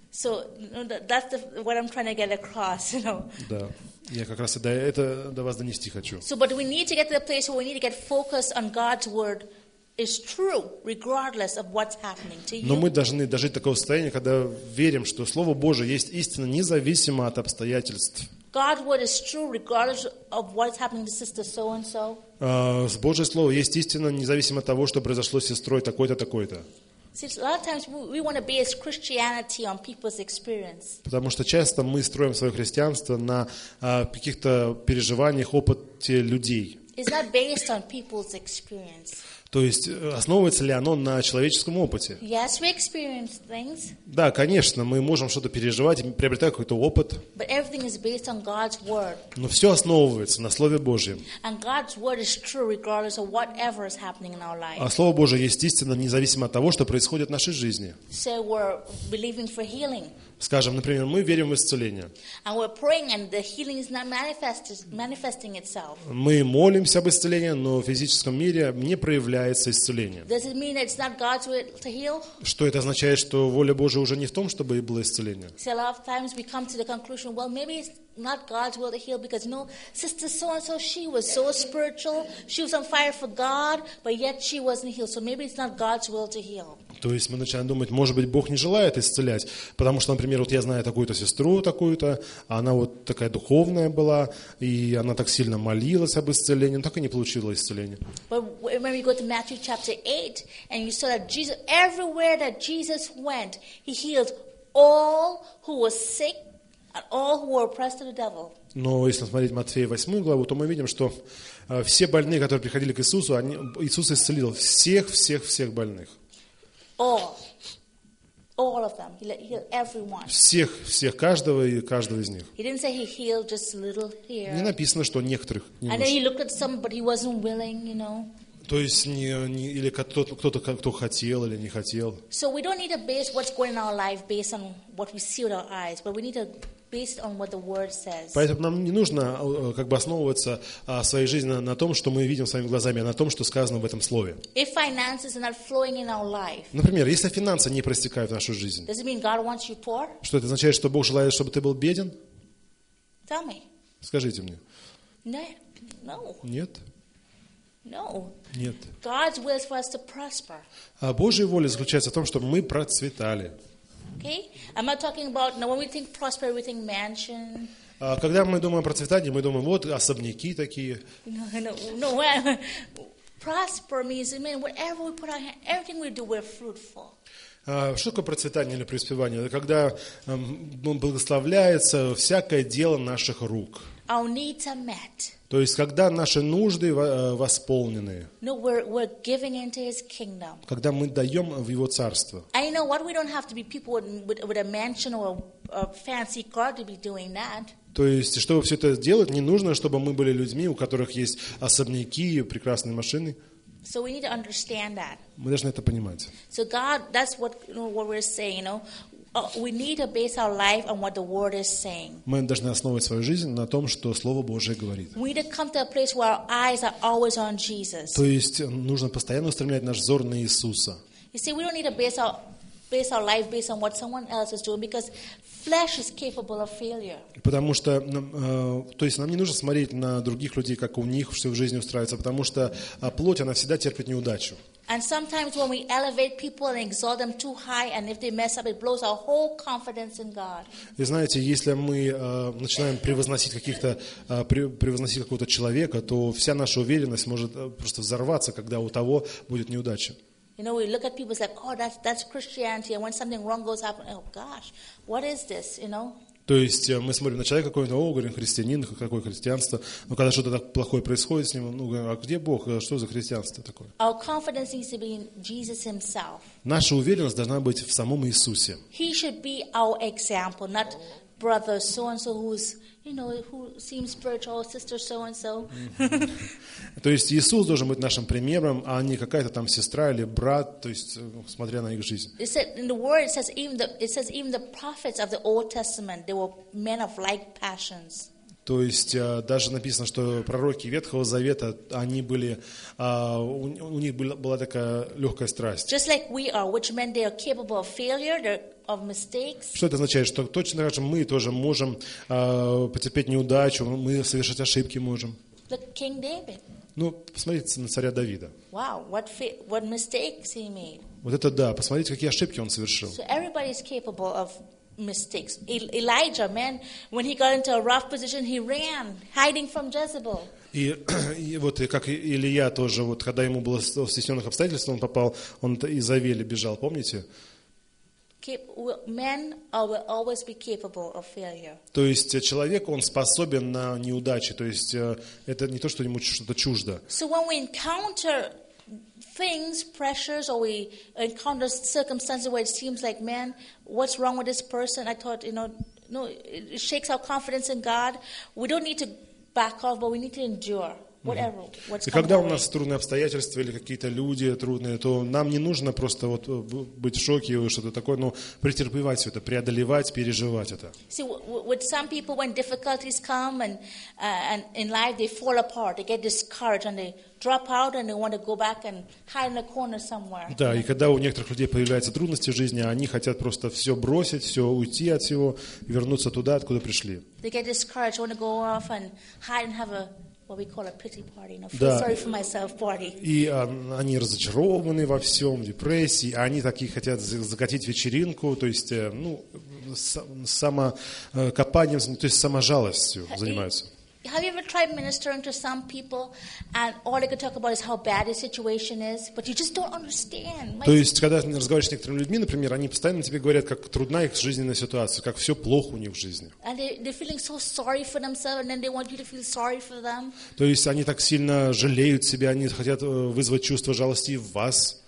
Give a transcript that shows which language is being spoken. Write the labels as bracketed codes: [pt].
[en] So, that's the, what I'm trying to get across, you know? [ru] Да. Я как раз это до вас донести хочу. [en] So, but we need to get to the place where we need to get focused on God's Word. Is true regardless of what's happening to you. [ru] Но мы должны дожить такого состояния, когда верим, что слово Божие есть истина независимо от обстоятельств. [en] God's word is true regardless of what's happening to sister so and so. [ru] Божье слово есть истина независимо от того, что произошло с сестрой такой-то такой-то. [en] See, a lot of times we want to base Christianity on people's experience. [ru] Потому что часто мы строим свое христианство на каких-то переживаниях, опыте людей. [en] It's not based on people's experience. [ru] То есть, основывается ли оно на человеческом опыте? [en] Yes, we experience things. [ru] Да, конечно, мы можем что-то переживать, приобретать какой-то опыт. [en] But everything is based on God's word. [ru] Но все основывается на Слове Божьем. [en] And God's word is true regardless of whatever is happening in our life. [ru] А Слово Божье есть истина, независимо от того, что происходит в нашей жизни. [en] So we're believing for healing. [ru] Скажем, например, мы верим в исцеление. [en] And we're praying and the healing is not manifesting itself. [ru] Мы молимся об исцелении, но в физическом мире не проявляется исцеление. [en] Does it mean it's not God's will to heal? [ru] Что это означает, что воля Божия уже не в том, чтобы было исцеление? [en] So a lot of times we come to the conclusion, well, maybe it's not God's will to heal because, you know, sister so-and-so, she was so spiritual, she was on fire for God, but yet she wasn't healed. So maybe it's not God's will to heal. [ru] То есть мы начинаем думать, может быть, Бог не желает исцелять, потому что, например, вот я знаю такую-то сестру, такую-то, она вот такая духовная была, и она так сильно молилась об исцелении, но так и не получила исцеления. [en] But when we go to Matthew chapter 8, and you saw that Jesus, everywhere that Jesus went, he healed all who were sick, and all who were oppressed of the devil. [ru] Но если смотреть Матфея 8 главу, то мы видим, что все больные, которые приходили к Иисусу, Иисус исцелил всех больных. [en] All of them. He healed everyone. [ru] Всех, каждого и каждого из них. [en] He didn't say he healed just a little here. [ru] Не написано, что некоторых. [en] And then he looked at some, but he wasn't willing, you know. [ru] То есть не или кто-то кто хотел или не хотел. [en] So we don't need to base what's going on in our life based on what we see with our eyes, but we need to based on what the word says. [ru] Поэтому нам не нужно как бы основываться своей жизни на том, что мы видим своими глазами, а на том, что сказано в этом слове. [en] If finances are not flowing in our life. [ru] Например, если финансы не проистекают в нашу жизнь. [en] Does it mean God wants you poor? [ru] Что это означает, что Бог желает, чтобы ты был беден? [en] Tell me. [ru] Скажите мне. [en] No. [ru] Нет. [en] No. [ru] Нет. [en] God's will is for us to prosper. [ru] А Божья воля заключается в том, чтобы мы процветали. [en] Okay? I'm not talking about now when we think prosper, we think mansion. [ru] Когда мы думаем о процветании, мы думаем вот особняки такие. [en] No. Prosper means it means whatever we put our hand, everything we do, we're fruitful. [ru] Что такое процветание или преуспевание? Это когда благословляется всякое дело наших рук. [en] Our needs are met. [ru] То есть, когда наши нужды восполнены. [en] No, we're giving into his kingdom. [ru] Когда мы даем в его царство. [en] And you know what? We don't have to be people with a mansion or a fancy car to be doing that. [ru] То есть, чтобы все это сделать, не нужно, чтобы мы были людьми, у которых есть особняки и прекрасные машины. [en] So we need to understand that. [ru] Мы должны это понимать. [en] So God, that's what, you know, what we're saying, you know. We need to base our life on what the word is saying. [ru] Мы должны основывать свою жизнь на том, что слово Божие говорит. [en] We need to come to a place where our eyes are always on Jesus. [ru] То есть нужно постоянно устремлять наш взор на Иисуса. [en] You see, we don't need to base our life based on what someone else is doing because flesh is capable of failure. [ru] Потому что то есть нам не нужно смотреть на других людей, как у них все в жизни устраивается, потому что плоть она всегда терпит неудачу. [en] And sometimes when we elevate people and exalt them too high, and if they mess up, it blows our whole confidence in God. [ru] И знаете, если мы начинаем превозносить какого-то человека, то вся наша уверенность может просто взорваться, когда у того будет неудача. [en] You know, we look at people like, oh, that's Christianity, and when something wrong goes up, oh gosh, what is this? You know. [ru] То есть мы смотрим на человека какой-то, о, говорим, христианин, какое христианство. Но когда что-то так плохое происходит с ним, ну, говорим, а где Бог? Что за христианство такое? [en] Our confidence needs to be in Jesus himself. [ru] Наша уверенность должна быть в самом Иисусе. [en] He should be our example, not brother so and so who's, you know, who seems spiritual, sister so and so. [ru] То есть Иисус должен быть нашим примером, а не какая-то там сестра или брат, то есть смотря на их жизнь. [en] It said in the word it says even the prophets of the Old Testament they were men of like passions. [ru] То есть даже написано, что пророки Ветхого Завета, они были, у них была такая легкая страсть. [en] Just like we are, which means they are capable of failure, they're of mistakes. [ru] Что это означает? Что точно так же мы тоже можем потерпеть неудачу, мы совершать ошибки можем. [en] Look, King David. [ru] Ну, посмотрите на царя Давида. [en] Wow, what mistakes he made. [ru] Вот это да, посмотрите, какие ошибки он совершил. [en] So everybody is capable of mistakes. Elijah, man, when he got into a rough position, he ran, hiding from Jezebel. [ru] И вот как Илия тоже, вот когда ему было в стесненных обстоятельствах, он попал, он из Авели бежал, помните? [en] Men will always be capable of failure. [ru] То есть человек, он способен на неудачи, то есть это не то, что ему что-то чуждо. [en] So when we encounter things, pressures, or we encounter circumstances where it seems like, man, what's wrong with this person? I thought, you know, no, it shakes our confidence in God. We don't need to back off, but we need to endure whatever. What's [ru] И когда у нас трудные обстоятельства или какие-то люди трудные, то нам не нужно просто вот быть в шоке или что-то такое, но претерпевать все это, преодолевать, переживать это. [en] See, with some people, when difficulties come and in life they fall apart, they get discouraged and they drop out and they want to go back and hide in a corner somewhere. [ru] Да, и когда у некоторых людей появляются трудности в жизни, они хотят просто все бросить, все уйти от всего, вернуться туда, откуда пришли. [en] They get discouraged, want to go off and hide and have a what we call a pity party, you know, feel sorry for myself party. [ru] И они разочарованы во всем, в депрессии, а они такие хотят закатить вечеринку, то есть, ну, самокопанием, то есть саможалостью занимаются. [en] Have you ever tried ministering to some people and all they can talk about is how bad the situation is, but you just don't understand? [ru] То есть, когда ты разговариваешь с некоторыми людьми, например, они постоянно тебе говорят, как трудна их жизненная ситуация, как все плохо у них в жизни. [en] And they're feeling so sorry for themselves and then they want you to feel sorry for them. [ru] То есть, они так сильно жалеют себя, они хотят вызвать чувство жалости в вас.